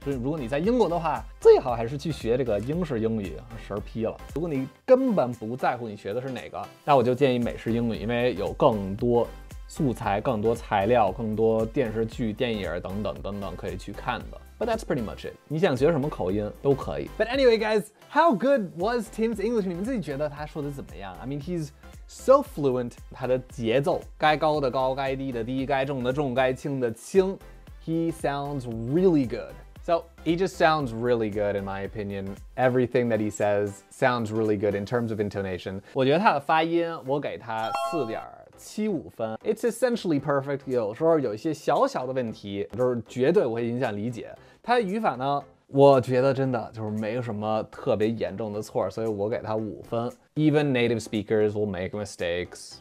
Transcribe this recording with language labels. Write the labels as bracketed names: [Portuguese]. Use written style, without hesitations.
[Chinese] 就如果你在英国的话，最好还是去学这个英式英语，神批了。如果你根本不在乎你学的是哪个，那我就建议美式英语，因为有更多素材、更多材料、更多电视剧、电影等等等等可以去看的。 [English] But that's pretty much it. [Chinese] 你想学什么口音都可以。 [English] But anyway, guys, how good was Tim's English? [Chinese] 你们自己觉得他说的怎么样 ？ [English] I mean, he's so fluent. [Chinese] 他的节奏，该高的高，该低的低，该重的重，该轻的轻。 [English] He sounds really good. So he just sounds really good, in my opinion. Everything that he says sounds really good in terms of intonation. [Chinese] 我觉得他的发音，我给他4.75分。 [English] It's essentially perfect. [Chinese] 有时候有一些小小的问题，就是绝对我会影响理解。他的语法呢，我觉得真的就是没有什么特别严重的错，所以我给他5分。 [English] Even native speakers will make mistakes.